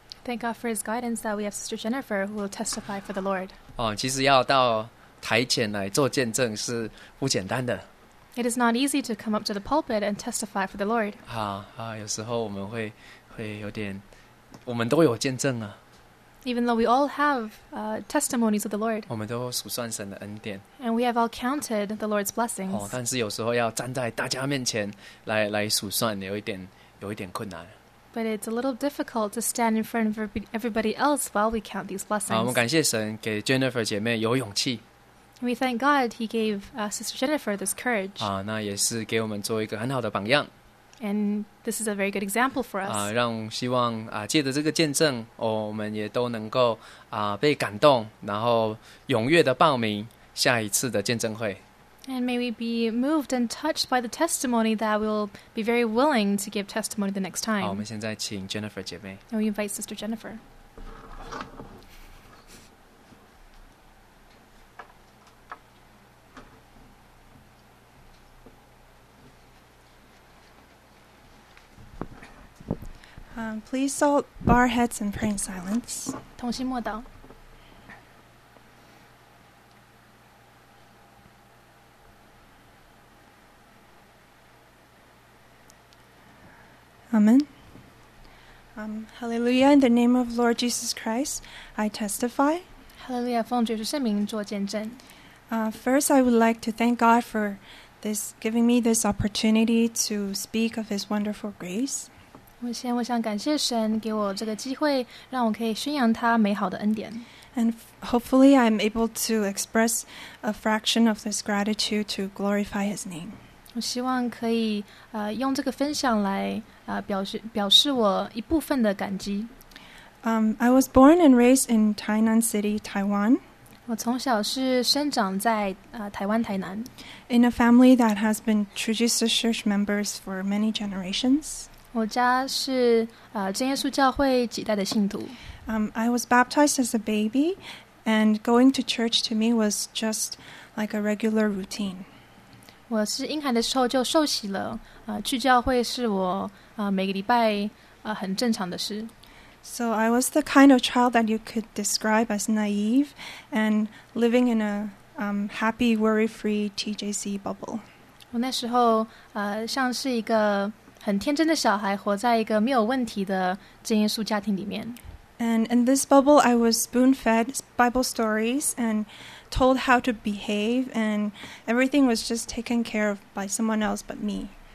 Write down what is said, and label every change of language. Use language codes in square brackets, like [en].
[en] Thank God for His guidance that we have Sister Jennifer who will testify for the Lord. [zh] 哦，其实要到台前来做见证是不简单的。 [en] It is not easy to come up to the pulpit and testify for the Lord. [zh] 啊，有时候我们会有点，我们都有见证啊。 [en] Even though we all have testimonies of the Lord, [zh] 我们都数算神的恩典。 [en] And we have all counted the Lord's blessings. [zh] 哦，但是有时候要站在大家面前来数算，有一点困难。 [en] But it's a little difficult to stand in front of everybody else while we count these blessings. [zh] 我们感谢神给 Jennifer 姐妹有勇气。 [en] We thank God He gave Sister Jennifer this courage. [zh] 那也是给我们做一个很好的榜样。 [en] And this is a very good example for us. [zh] 希望借着这个见证，我们也都能够被感动，然后踊跃的报名下一次的见证会。 [en] And may we be moved and touched by the testimony that we'll be very willing to give testimony the next time. [zh] 好，我们现在请 Jennifer 姐妹。 [en] And we invite Sister Jennifer. Please all bow our heads and pray in silence. [zh] 同心默祷。 [en] Amen. Hallelujah, in the name of Lord Jesus Christ, I testify. [zh] Hallelujah, 奉主耶稣圣名做见证。 [en] First, I would like to thank God for this, giving me this opportunity to speak of His wonderful grace. [zh] 我想感谢神给我这个机会，让我可以宣扬他美好的恩典。 [en] And hopefully I'm able to express a fraction of this gratitude to glorify His name. [zh] 我希望可以用这个分享来表示我一部分的感激。 [en] I was born and raised in Tainan City, Taiwan. [zh] 我从小是生长在台湾台南。 [en] In a family that has been True Jesus Church members for many generations. [zh] 我家是真耶稣教会几代的信徒。 [en] I was baptized as a baby, and going to church to me was just like a regular routine. [zh] 我是婴孩的时候就受洗了，去教会是我每个礼拜很正常的事。 [en] So I was the kind of child that you could describe as naive and living in a happy, worry-free TJC bubble. [zh] 我那时候像是一个很天真的小孩，活在一个没有问题的真耶稣家庭里面。 [en] And in this bubble, I was spoon-fed Bible stories and told how to behave, and everything was just taken care of by someone else but me.